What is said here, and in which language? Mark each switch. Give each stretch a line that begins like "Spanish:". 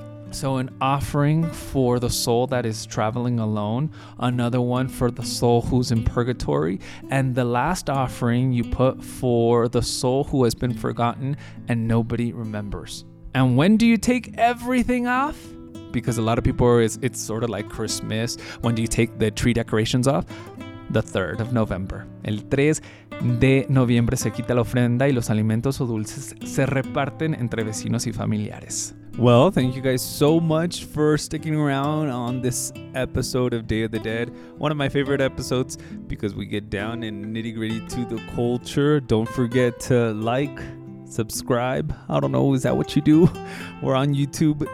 English: So an offering for the soul that is traveling alone, another one for the soul who's in purgatory, and the last offering you put for the soul who has been forgotten and nobody remembers. And when do you take everything off? Because a lot of people, it's sort of like Christmas. When do you take the tree decorations off? The 3rd of November.
Spanish: El 3 de noviembre se quita la ofrenda y los alimentos o dulces se reparten entre vecinos y familiares.
English: Well, thank you guys so much for sticking around on this episode of Day of the Dead. One of my favorite episodes because we get down and nitty gritty to the culture. Don't forget to like, subscribe. I don't know, is that what you do? We're on YouTube.